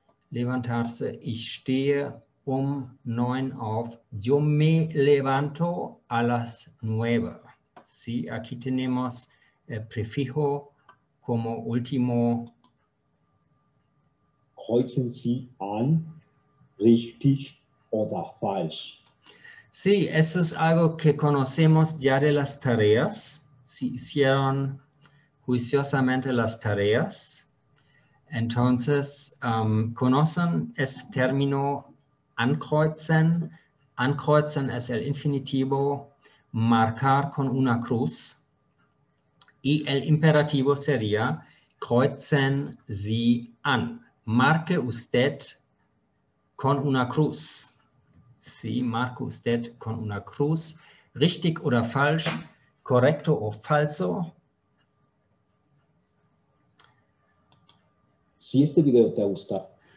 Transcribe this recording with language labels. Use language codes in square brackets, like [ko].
[de] Levantarse, ich stehe neun auf. [es] Yo me levanto a las nueve. Sí, aquí tenemos el prefijo como último. [de] Kreuzen Sie an, richtig oder falsch. [es] Sí, eso es algo que conocemos ya de las tareas. Si hicieron juiciosamente las tareas, entonces conocen este término ankreuzen. Ankreuzen es el infinitivo, marcar con una cruz. Y el imperativo sería kreuzen Sie an. Marque usted con una cruz. Sí, marque usted con una cruz. [de] Richtig oder falsch, correcto o falso. [es] Si este video te gusta.